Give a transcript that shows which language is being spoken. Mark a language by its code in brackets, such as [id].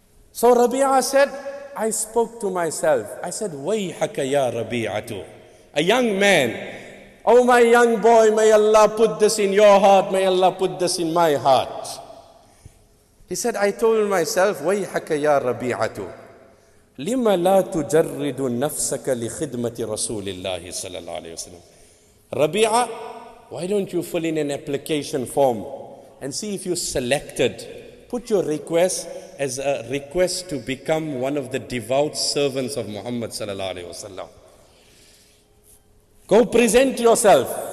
[en] So Rabi'ah said, I spoke to myself. I said, [ar] وَيْحَكَ يَا رَبِيعَةُ, [en] a young man. Oh my young boy, may Allah put this in your heart. May Allah put this in my heart. He said, I told myself, [ar] وَيْحَكَ يَا رَبِيعَةُ لِمَ لَا تُجَرِّدُ نَفْسَكَ لِخِدْمَةِ رَسُولِ اللَّهِ صَلَى اللَّهُ عَلَيْهِ وَسَلَمَ. [en] Rabi'ah, why don't you fill in an application form and see if you're selected? Put your request as a request to become one of the devout servants of Muhammad صلى الله عليه وسلم. Go present yourself.